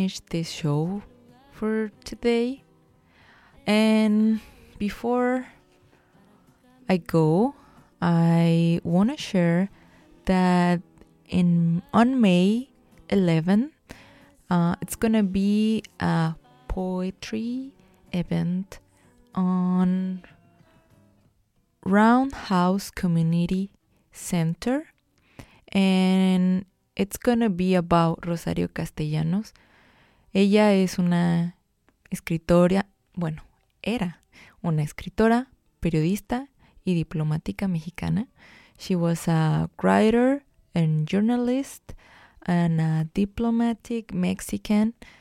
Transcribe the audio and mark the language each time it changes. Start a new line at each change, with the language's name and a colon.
English: This show for today, and before I go, I want to share that on May 11, it's gonna be a poetry event on Roundhouse Community Center, and it's gonna be about Rosario Castellanos.
Spanish: Ella es una escritora, bueno, era una escritora, periodista y diplomática mexicana.
English: She was a writer and journalist and a diplomatic Mexican.